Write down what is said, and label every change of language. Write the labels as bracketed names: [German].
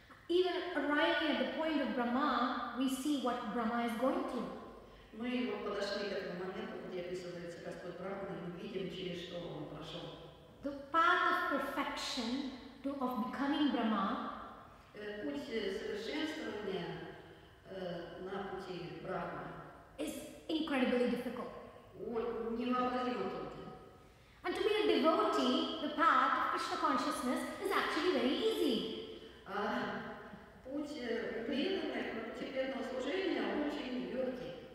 [English] Even arriving at the point of Brahma, we see what Brahma is going through. [Russian] Мы его подошли к этому моменту, где описывается Господь Брахма, и мы видим, через что он прошел. [English] The path of perfection to, of becoming Brahma, [Russian] путь совершенствования на пути Брахма, [English] is incredibly difficult. [Russian] Невообразимо трудно. [English] And to be a devotee, the path of Krishna consciousness is actually very easy. [Russian] Путь преданного, путь преданного служения очень легкий.